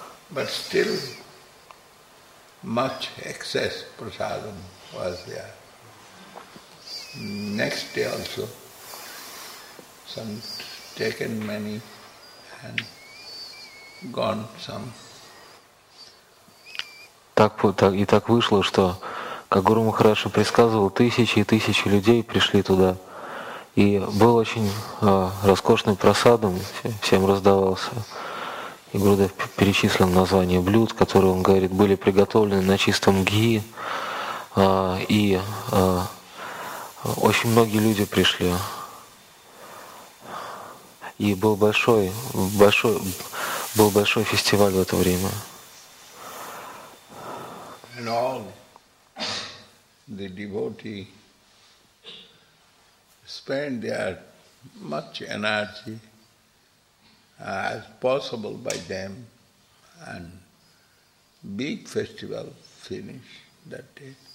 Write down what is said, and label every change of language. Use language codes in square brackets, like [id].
[en] But still, much excess prasadam was there. Next day also, some taken many and gone some. [ru] так вышло, что, как Гуру Махарадж предсказывал, тысячи и тысячи людей пришли туда. И был очень роскошным просадом, всем раздавался. И Гурудев перечислил название блюд, которые, он говорит, были приготовлены на чистом ги. Очень многие люди пришли. И был большой фестиваль в это время. [en] And all the devotee spend their much energy as possible by them, and big festival finish that day.